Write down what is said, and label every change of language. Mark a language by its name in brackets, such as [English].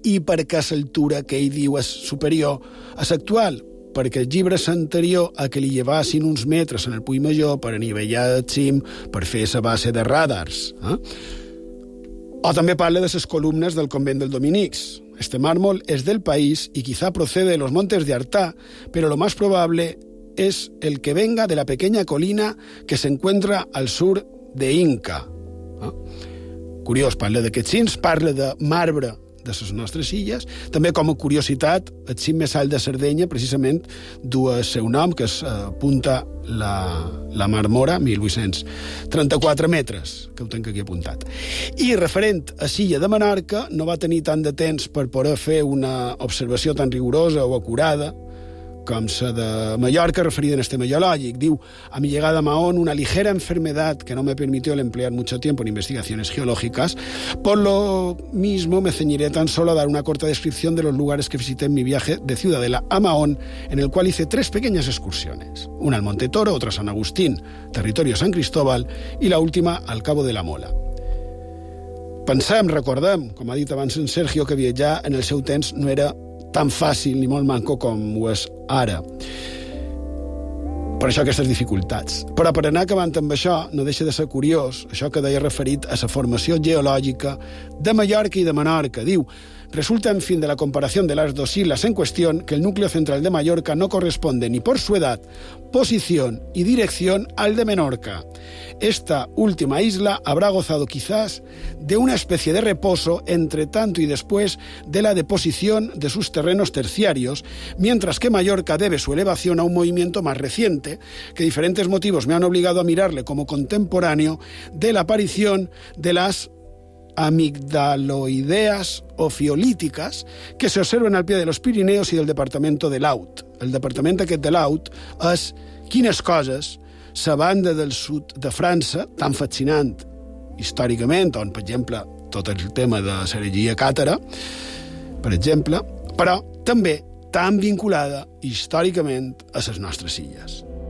[Catalan] I per què l'altura que ell diu és superior a l'actual? Perquè el llibre anterior a que li llevassin uns metres en el Puig Major per anivellar el cim, per fer la base de radars, O també parla de les columnes del convent del Dominix. [Spanish] «Este mármol es del país y quizá procede de los montes de Artá, pero lo más probable es el que venga de la pequeña colina que se encuentra al sur de Inca». [Catalan] Curiós, parla d'aquests cims, parla de marbre de les nostres illes. També, com a curiositat, el cim més alt de Cerdanya, precisament, du el seu nom, que és Punta la Marmora, 1834 metres, que ho tenc aquí apuntat. I referent a l'illa de Menorca, no va tenir tant de temps per poder fer una observació tan rigorosa o acurada com la de Mallorca, referida en este meteorològic. [Spanish] Diu: «A mi llegada a Mahón, una ligera enfermedad que no me permitió el emplear mucho tiempo en investigaciones geológicas, por lo mismo me ceñiré tan solo a dar una corta descripción de los lugares que visité en mi viaje de Ciudadela a Mahón, en el cual hice tres pequeñas excursiones, una al Monte Toro, otra a San Agustín, territorio San Cristóbal, y la última al Cabo de la Mola». [Catalan] Pensem, recordem, com ha dit abans en Sergio, que viatjar en el seu temps no era tan fàcil ni molt manco com ho és ara. Per això aquestes dificultats. Però per anar acabant amb això, no deixa de ser curiós això que deia referit a la formació geològica de Mallorca i de Menorca. [Spanish] Diu: «Resulta, en fin, de la comparación de las dos islas en cuestión, que el núcleo central de Mallorca no corresponde ni por su edad, posición y dirección al de Menorca. Esta última isla habrá gozado quizás de una especie de reposo entre tanto y después de la deposición de sus terrenos terciarios, mientras que Mallorca debe su elevación a un movimiento más reciente, que diferentes motivos me han obligado a mirarle como contemporáneo de la aparición de las amigdaloideas ofiolíticas que se observen al pie de los Pirineos y del departamento de l'Aut». [Catalan] El departament aquest de l'Aut és, quines coses, la banda del sud de França, tan fascinant històricament, on, per exemple, tot el tema de Sergia Càtera, per exemple, però també tan vinculada històricament a les nostres illes.